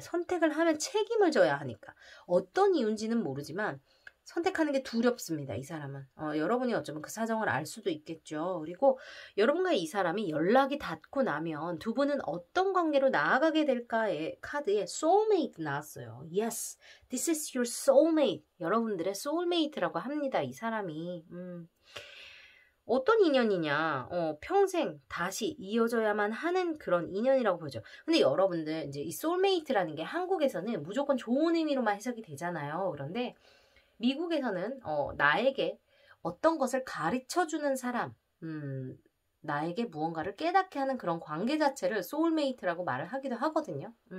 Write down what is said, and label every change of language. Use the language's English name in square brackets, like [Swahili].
[Korean] 선택을 하면 책임을 져야 하니까. 어떤 이유인지는 모르지만 선택하는 게 두렵습니다, 이 사람은. 여러분이 어쩌면 그 사정을 알 수도 있겠죠. 그리고 여러분과 이 사람이 연락이 닿고 나면 두 분은 어떤 관계로 나아가게 될까의 카드에 soulmate 나왔어요. [English] Yes, this is your soulmate. [Korean] 여러분들의 soulmate라고 합니다, 이 사람이. 어떤 인연이냐? 평생 다시 이어져야만 하는 그런 인연이라고 보죠. 근데 여러분들 이제 이 soulmate라는 게 한국에서는 무조건 좋은 의미로만 해석이 되잖아요. 그런데 미국에서는 나에게 어떤 것을 가르쳐 주는 사람, 나에게 무언가를 깨닫게 하는 그런 관계 자체를 소울메이트라고 말을 하기도 하거든요.